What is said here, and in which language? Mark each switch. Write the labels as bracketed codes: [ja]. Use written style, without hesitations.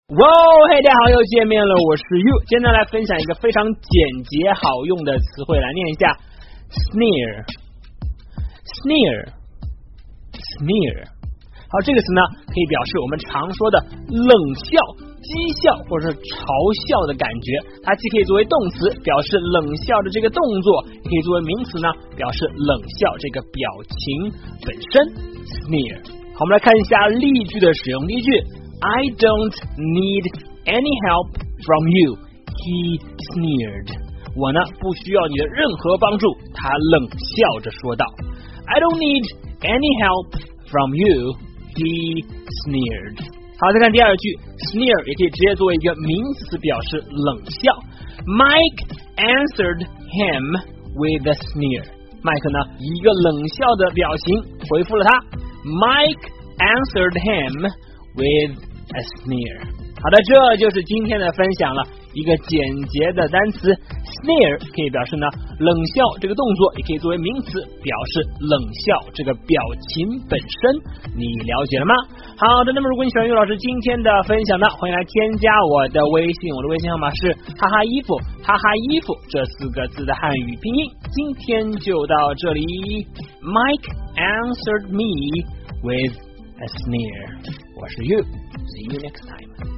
[zh] 哇嘿，大家好，又见面了，我是 You。今天来分享一个非常简洁好用的词汇，来念一下 Sneer Sneer Sneer。好，这个词呢可以表示我们常说的冷笑、讥笑或者是嘲笑的感觉，它既可以作为动词表示冷笑的这个动作，也可以作为名词呢表示冷笑这个表情本身， Sneer。好，我们来看一下例句的使用。例句， [en] I don't need any help from you, he sneered. [zh] 我呢不需要你的任何帮助，他冷笑着说道。 [en] I don't need any help from you, he sneered. [zh] 好，再看第二句， sneer 也可以直接作为一个名词表示冷笑。 [en] Mike answered him with a sneer. [zh] Mike 呢一个冷笑的表情回复了他。 [en] Mike answered him withA sneer。 [zh] 好的，这就是今天的分享了，一个简洁的单词 sneer 可以表示呢冷笑这个动作，也可以作为名词表示冷笑这个表情本身，你了解了吗？好的，那么如果你喜欢于老师今天的分享呢，欢迎来添加我的微信，我的微信号码是哈哈衣服，哈哈衣服这四个字的汉语拼音。今天就到这里， [en] Mike answered me with a sneer。 [zh] 我是 [en] You, see you next time.